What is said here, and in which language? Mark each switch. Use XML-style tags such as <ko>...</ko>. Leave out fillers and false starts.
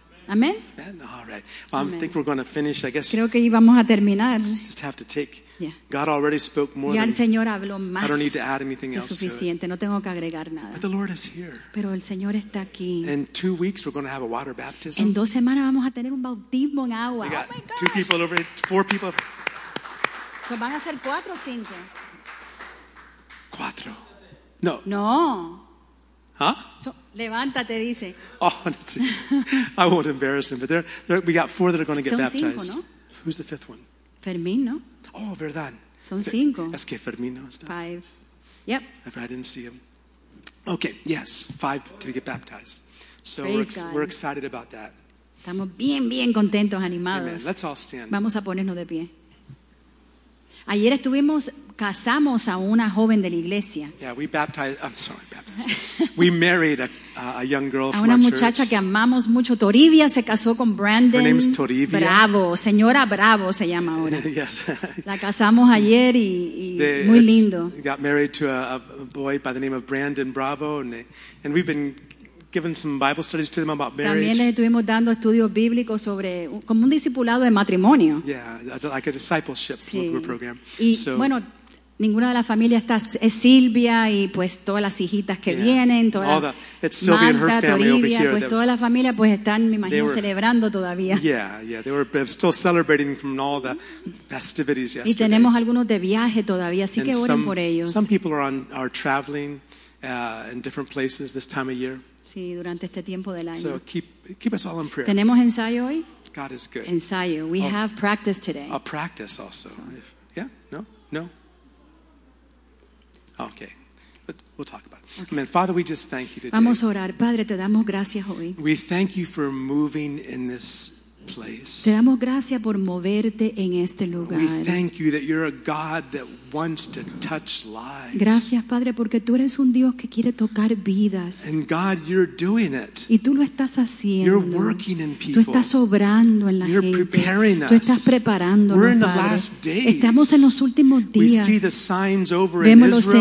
<en>Amen. Amen. All right. Well, Amen. I think we're going to finish. I guess.</en> <es>Creo que íbamos a terminar.</es> <en>Just have to take. Yeah. God already spoke more.</en> <es>Ya</es> <en>than,</en> <es>el Señor habló más.</es> <en>I don't need to add anything else.</en> <es>Es suficiente.</es> <en>To it.</en> <es>No tengo que agregar nada.</es> <en>But the Lord is here.</en> <es>Pero el Señor está aquí.</es> <en>In 2 weeks we're going to have a water baptism.</en> <es>En 2 semanas vamos a tener un bautismo en agua.</es> <en>We got oh my gosh. 2 people over here. 4 people.</en> <es>So van a ser 4 o 5.</es> <en>4. No. No. Huh?</en> <es>So, levántate, dice.</es> <en>Oh, I won't embarrass him. But there we got 4 that are going to get baptized.</en> <es>Cinco, ¿no? Who's the 5th one? Fermín, ¿no? Oh, verdad. Son 5. Es que Fermín no está.</es> <en>5. Yep. I didn't see him. Okay, yes. 5 to get baptized. So we're excited about that.</en> <es>Estamos bien, bien contentos, animados.</es> <en>Amen. Let's all stand.</en> <es>Vamos a ponernos de pie. Ayer estuvimos... Casamos a una joven de la iglesia.</es> <en>Yeah, we baptized. I'm sorry, baptized. We married a young girl.</en> <es>A una muchacha que amamos mucho. Toribia se casó con Brandon.</es> <en>Her name's Toribia.</en> <es>Bravo, señora Bravo se llama ahora.</es> <en>Yes.</en> <es>La casamos ayer y muy lindo.</es> <en>Got married to a boy by the name of Brandon Bravo, and we've been giving some Bible studies to them about marriage.</en> <es>También les estuvimos dando estudios bíblicos sobre como un discipulado de matrimonio.</es> <en>Yeah, like a discipleship sí. Program.</en> <es>Y so, bueno, ninguna de las familias está es Silvia y pues todas las hijitas que yes. Vienen, toda</es> <en>all</en> <es>la,</es> <en>the, it's Sylvia</en> <es>Marta,</es> <en>and her family</en> <es>Toribia,</es> <en>over here.</en> <es>Pues toda la familia pues están, me imagino, were, celebrando todavía.</es> <en>Yeah, they were still celebrating from all the festivities yesterday.</en> <es>Y tenemos algunos de viaje todavía, así and que oren por ellos.</es> <en>Some people are traveling in different places this time of year.</en> <es>Sí, durante este tiempo del año.</es> <en>So keep us all in prayer.</en> <es>¿Tenemos ensayo hoy?</es> <en>God is good. Ensayo. We I'll, have practice today. I'll practice also. If, yeah? No? No? Okay. But we'll talk about it. Okay. Amen. Father, we just thank you today.</en> <es>Vamos a orar. Padre, te damos gracias hoy.</es> <en>We thank you for moving in this place.</en> <es>Te damos gracias por moverte en este lugar.</es> <en>We thank you that you're a God that wants to touch lives.</en> <es>Gracias, Padre, porque tú eres un Dios que quiere tocar vidas.</es> <en>And God, you're doing it.</en> <es>Y tú lo estás haciendo.</es> <en>You're working in people.</en> <es>Tú estás obrando en la</es> <en>you're</en> <es>gente.</es> <en>Preparing</en> <es>tú estás preparando.</es> <en>We're in the last days.</en> <es>Estamos en los últimos días.</es> <en>We see the signs over</en> <es>vemos</es> <en>in Israel,</en>